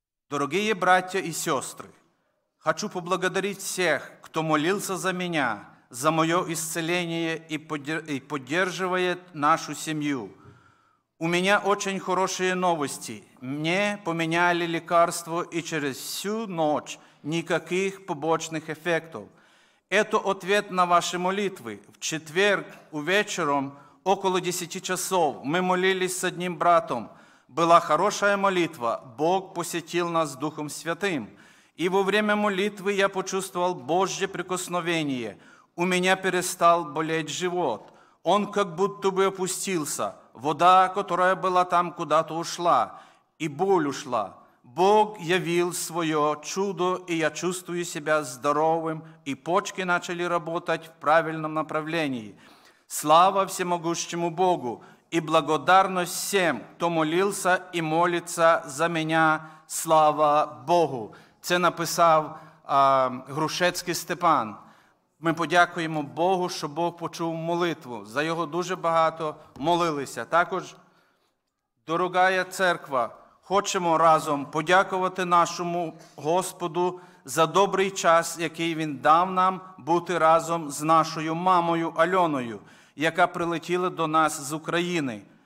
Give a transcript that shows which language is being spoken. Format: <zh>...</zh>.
<uk>Дорогі браття і сестри, хочу поблагодарити всіх, хто молився за мене, за моє ісцеління і підтримує нашу сім'ю. У мене дуже хороші новини. Мені поміняли лікарство і через всю ніч ніяких побочних ефектів. Це відповідь на ваші молитви. В четвер увечером,</uk> <ru>около 10 часов,</ru> <uk>ми молились з одним братом. Була хороша молитва, Бог посетив нас Духом Святим. І во время молитви я почував Божє прикосновення. У мене перестав</uk> <ru>болеть живот. Он как будто бы опустился. Вода, которая была там, куда-то ушла. І боль ушла.</ru> <uk>Бог явив своє чудо, і я чувствую себе здоровим. І почки почали работать в правильному направлении.</uk> <ru>Слава всемогущему Богу! И благодарность всем, кто молился и молится за меня, слава Богу.</ru> <uk>Це написав Грушецький Степан. Ми подякуємо Богу, що Бог почув молитву. За його дуже багато молилися. Також, дорога церква, хочемо разом подякувати нашому Господу за добрий час, який Він дав нам бути разом з нашою мамою Альоною, яка прилетіла до нас з України.</uk>